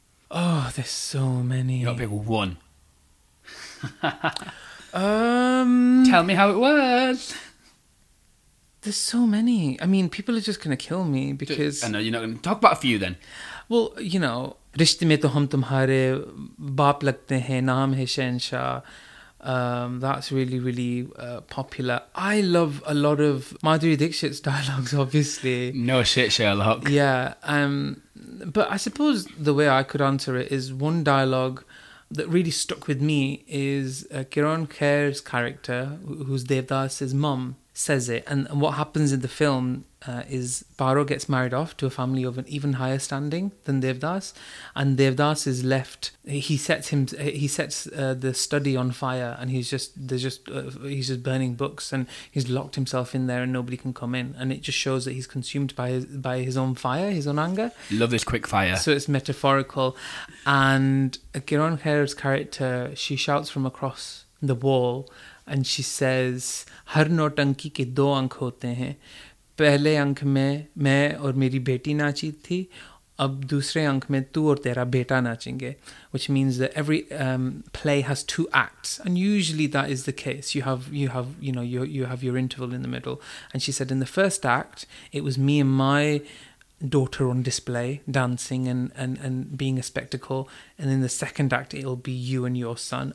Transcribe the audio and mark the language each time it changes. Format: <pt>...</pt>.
<en>Oh, there's so many. You've got to pick one. Tell me how it was. There's so many. I mean, people are just going to kill me because... I know, you're not going to talk about a few then. Well, you know...</en> <hi>रिश्ते में तो हम तुम्हारे बाप लगते हैं, नाम है शहंशाह.</hi> <en>That's really, really popular. I love a lot of Madhuri Dixit's dialogues, obviously. No shit, Sherlock. Yeah. But I suppose the way I could answer it is one dialogue that really stuck with me is Kiran Kher's character, who's Devdas's mum, says it. And what happens in the film is Bharo gets married off to a family of an even higher standing than Devdas. And Devdas is left. He sets the study on fire, and he's just burning books, and he's locked himself in there and nobody can come in. And it just shows that he's consumed by his own fire, his own anger. Love this quick fire. So it's metaphorical. And Kiran Kher's character, she shouts from across the wall, and she says,</en> <hi>"Har nautanki ke do ankh hote hain. पहले अंख में मैं और मेरी बेटी नाची थी. अब दूसरे अंख में तू और तेरा बेटा नाचेंगे."</hi> <en>Which means that every play has two acts, and usually that is the case. You have your interval in the middle. And she said, in the first act, it was me and my daughter on display, dancing and being a spectacle, and in the second act it'll be you and your son.</en>